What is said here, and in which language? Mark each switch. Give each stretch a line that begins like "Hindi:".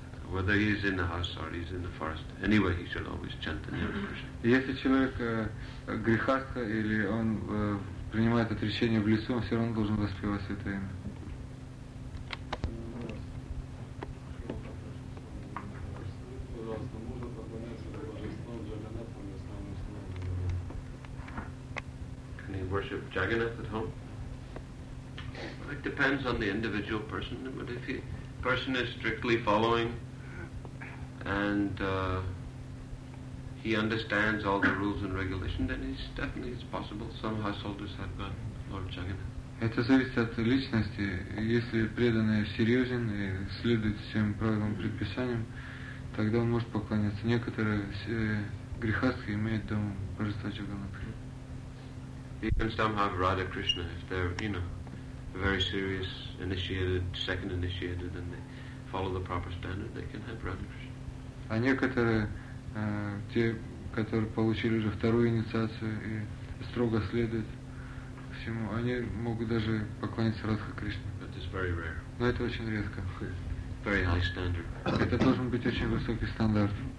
English: Whether he is in the house or he is in the forest, anyway, he should always chant the name of Krishna.
Russian: Если человек грехастха или он принимает отречение в лесу, он все равно должен воспевать Святое Имя.
English: Worship Jagannath at home? It depends on the individual person, but if the person is strictly following and he understands all the rules and regulations, then it's definitely it's possible. Some householders have got Lord Jagannath.
Russian: Это зависит от личности. Если преданный серьезен и следует всем правилам и предписаниям, тогда он может поклоняться. Некоторые грехастхи имеют дома Божества Джаганнатха.
English: He can somehow have Radha Krishna if they're, you know, very serious, initiated, second initiated, and they follow the proper standard, they can have Radha Krishna.
Russian: А некоторые, те, которые получили уже вторую инициацию и строго следуют всему, они могут даже поклониться Радха Кришне.
English: But it's very rare.
Russian: Но это очень редко.
English: Very high standard.
Russian: Это должен быть очень высокий стандарт.